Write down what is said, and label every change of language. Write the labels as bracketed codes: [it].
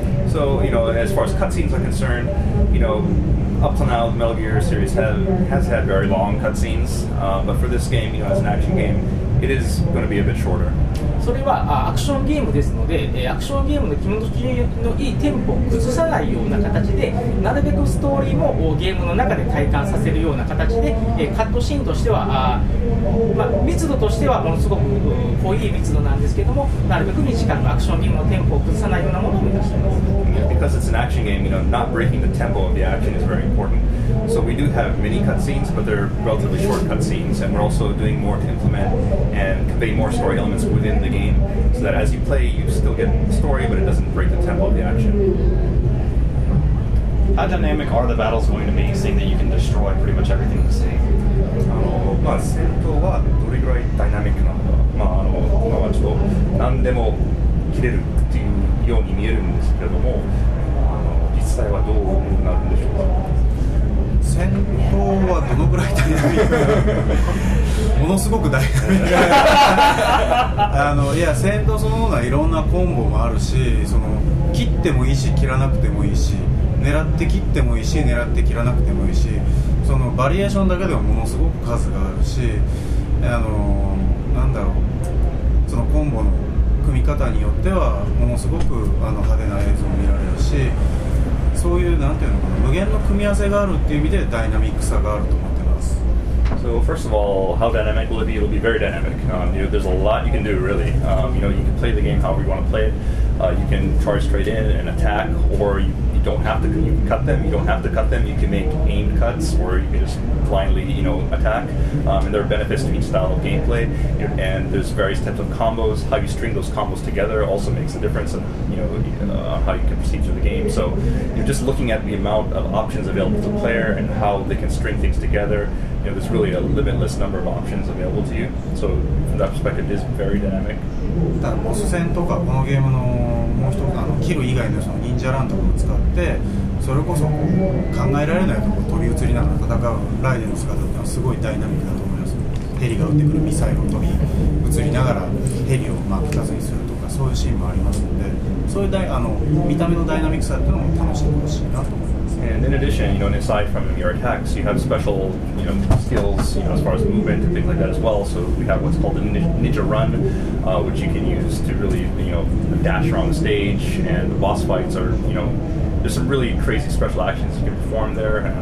[en] So, you know, as far as cutscenes are concerned, you know, up till now, the Metal Gear series has had very long cutscenes, but for this game, you know, as an action game, it is going to be a bit shorter. [ja] それはアクションゲームですので、アクションゲームの気持ちのいいテンポを崩さないような形で、なるべくストーリーもゲームの中で体感させるような形で、カットシーンとしては、密度としてはものすごく濃い密度なんですけども、なるべく短くアクションゲームのテンポを崩さないようなものを目指しています。 [en] Because it's an action game, you know, not breaking the tempo of the action is very important. So we do have mini cutscenes, but they're relatively short cutscenes, and we're also doing more to implement and convey more story elements within the game, so that as you play, you still get the story, but it doesn't break the tempo of the action. How dynamic are the battles going to be, seeing that you can destroy pretty much everything in the city? [ja] まあ戦闘はどれぐらいダイナミックなのか、まあ、あの、まあ、ちょっと何でも切れるっていうように見えるんですけれども、実際はどうなるんでしょうか。戦闘はどのぐらいダイナミックなのか、ものすごくダイナミックで、いや戦闘そのものはいろんなコンボもあるし、その切ってもいいし切らなくてもいいし、狙って切ってもいいし狙って切らなくてもいいし、そのバリエーションだけではものすごく数があるし、なんだろう、そのコンボの組み方によってはものすごくあの派手な映像を見られるし、そういうなんていうのかな、無限の組み合わせがあるっていう意味でダイナミックさがあると思ってます。 [en] So first of all, how dynamic will it be? It'll be very dynamic. You know, there's a lot you can do really. You know, you can play the game however you want to play it. You can charge straight in and attack, or you don't have to. You can cut them. You don't have to cut them. You can make aimed cuts, or you can just blindly, you know, attack. And there are benefits to each style of gameplay. And there's various types of combos. How you string those combos together also makes a difference in, you know, how you can proceed through the game. So you're just looking at the amount of options available to the player and how they can string things together. You know, there's really a limitless number of options available to you. So from that perspective, it is very dynamic. [ja] ただボス戦とかこのゲームのもう一つあのキル以外のその忍者ランとかを使って、それこそ考えられないところ飛び移りながら戦うライデンの姿ってのはすごいダイナミックだと思います。ヘリが撃ってくるミサイルを飛び移りながらヘリをまあ2つにするとか、そういうシーンもありますので、そういうあの見た目のダイナミックさっていうのも楽しんでほしいなと思います。 [en] And in addition, you know, aside from your attacks, you have special, you know, skills, you know, as far as movement and things like that as well. So we have what's called the ninja run, which you can use to really, you know, dash around the stage. And the boss fights are, you know, there's some really crazy special actions you can perform there.